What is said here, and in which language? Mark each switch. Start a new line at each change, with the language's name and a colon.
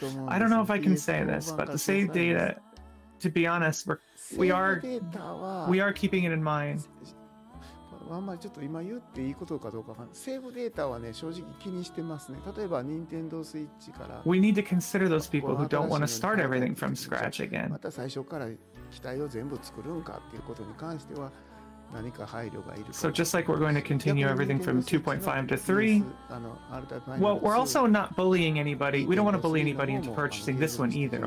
English: I don't know if I can say this, but the save data, to be honest, we are keeping it in mind.
Japanese: あんまりちょっと今言っていいことかどうかわかんない。セーブデータはね、正直気にしてますね。例えば任天堂スイッチから。
English: We need to consider those people who don't want to start everything from scratch again.
Japanese: また最初から機体を全部作るんかっていうことに関しては何か配慮がいる。
English: So just like we're going to continue everything from 2.5 to 3. Well, we're also not bullying anybody. We don't want to bully anybody into purchasing this one either.